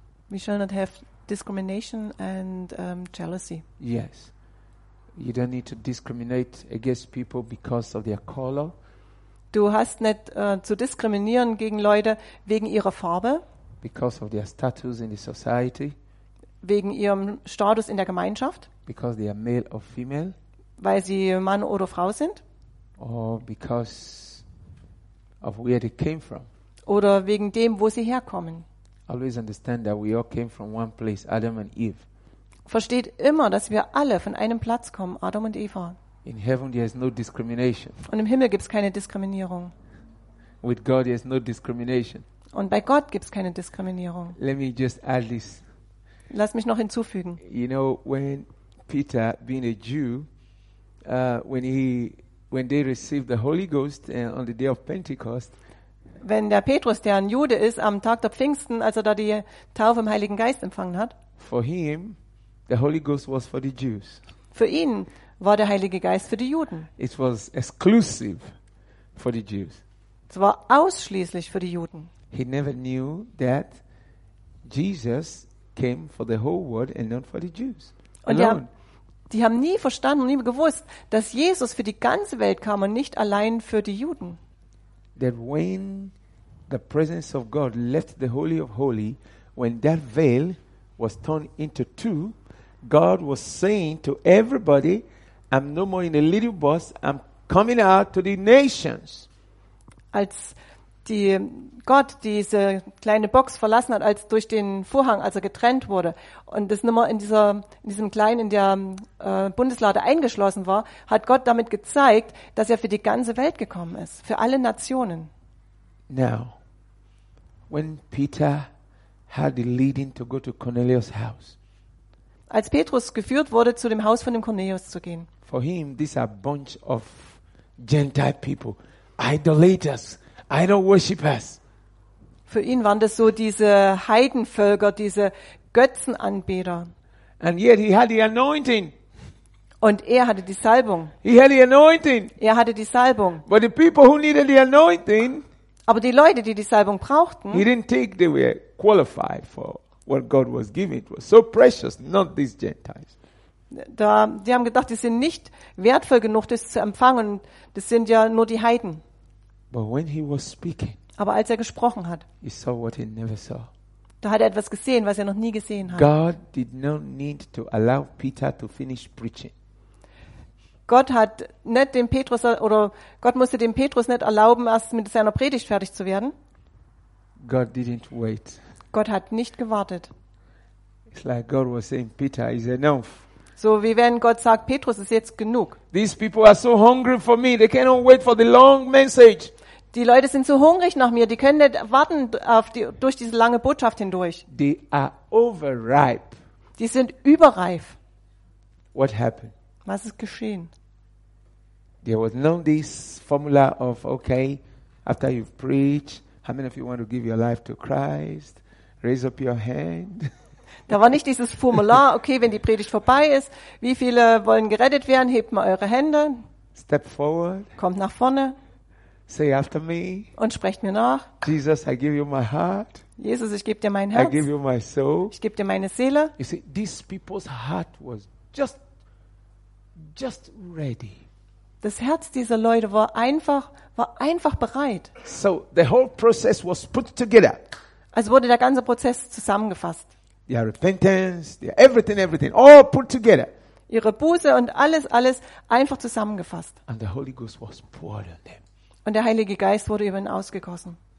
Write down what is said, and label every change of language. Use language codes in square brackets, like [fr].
[en] We shall not have discrimination and jealousy. Yes. You don't need to discriminate against people because of their color. [de] Du hast nicht zu diskriminieren gegen Leute wegen ihrer Farbe. [en] Because of their status in the society. [de] Wegen ihrem Status in der Gemeinschaft. [en] Because they are male or female. [de] Weil sie Mann oder Frau sind. [en] Or because of where they came from. [de] Oder wegen dem, wo sie herkommen. [en] Always understand that we all came from one place, Adam and Eve. [de] Versteht immer, dass wir alle von einem Platz kommen, Adam und Eva. [en] In heaven there is no discrimination. [de] Und im Himmel gibt's keine Diskriminierung. [en] With God there is no discrimination. [de] Und bei Gott gibt's keine Diskriminierung. [en] Let me just add this. [de] Lass mich noch hinzufügen. [en] You know, when Peter, being a Jew, when they received the Holy Ghost on the day of Pentecost, [de] wenn der Petrus, der ein Jude ist, am Tag der Pfingsten, als er da die Taufe im Heiligen Geist empfangen hat, [en] for him, the Holy Ghost was for the Jews. [de] Für ihn war der Heilige Geist für die Juden. [en] It was exclusive for the Jews. [de] Es war ausschließlich für die Juden. [en] He never knew that Jesus came for the whole world and not for the Jews. [de] Und ja, die haben nie verstanden und nie gewusst, dass Jesus für die ganze Welt kam und nicht allein für die Juden. [en] That when the presence of God left the Holy of Holy, when that veil was torn into two, God was saying to everybody, I'm no more in a little bus, I'm coming out to the nations. [de] Als die Gott diese kleine Box verlassen hat, als durch den Vorhang, als er getrennt wurde und das nur mal in diesem kleinen Bundeslade eingeschlossen war, hat Gott damit gezeigt, dass er für die ganze Welt gekommen ist, für alle Nationen. [en] Now, when Peter had the leading to go to Cornelius' house, [de] als Petrus geführt wurde, zu dem Haus von dem Cornelius zu gehen, [en] for him, these are a bunch of Gentile people, idolaters, idol worshippers. [de] Für ihn waren das so diese Heidenvölker, diese Götzenanbeter. [en] And yet he had the anointing. [de] Und er hatte die Salbung. [en] He had the anointing. [de] Er hatte die Salbung. [en] But the people who needed the anointing, [de] aber die Leute, die die Salbung brauchten, [en] he didn't think they were qualified for what God was giving. It was so precious, not these Gentiles. [de] Da, die haben gedacht, die sind nicht wertvoll genug, das zu empfangen. Das sind ja nur die Heiden. [en] But when he was speaking, [de] aber als er gesprochen hat, [en] he saw what he never saw. [de] Da hat er etwas gesehen, was er noch nie gesehen hat. [en] God did not need to allow Peter to finish preaching. [de] Gott hat nicht dem Petrus oder Gott musste dem Petrus nicht erlauben, erst mit seiner Predigt fertig zu werden. [en] God didn't wait. [de] Gott hat nicht gewartet. [en] It's like God was saying, Peter, it's enough. [de] So wie wenn Gott sagt, Petrus, ist jetzt genug. [en] These people are so hungry for me, they cannot wait for the long message. [de] Die Leute sind so hungrig nach mir, die können nicht warten auf die, durch diese lange Botschaft hindurch. [en] They are overripe. [de] Die sind überreif. [en] What happened? [de] Was ist geschehen? [en] There was no this formula of okay, after you preach, how many of you want to give your life to Christ? Raise up your hand. [de] Da war nicht dieses Formular, okay, wenn die Predigt vorbei ist, wie viele wollen gerettet werden? Hebt mal eure Hände. [en] Step forward. [de] Kommt nach vorne. [en] Say after me. [de] Und sprecht mir nach. [en] Jesus, I give you my heart. [de] Jesus, ich gebe dir mein Herz. [en] I give you my soul. [de] Ich gebe dir meine Seele. [en] You see, these people's heart was just ready. [de] Das Herz dieser Leute war einfach bereit. [en] So the whole process was put together. [de] Also wurde der ganze Prozess zusammengefasst. [en] Their repentance, their everything, all put together. [de] Ihre Buße und alles einfach zusammengefasst. [en] And the Holy Ghost was poured on them. [de] Und der Heilige Geist wurde über ihn ausgegossen.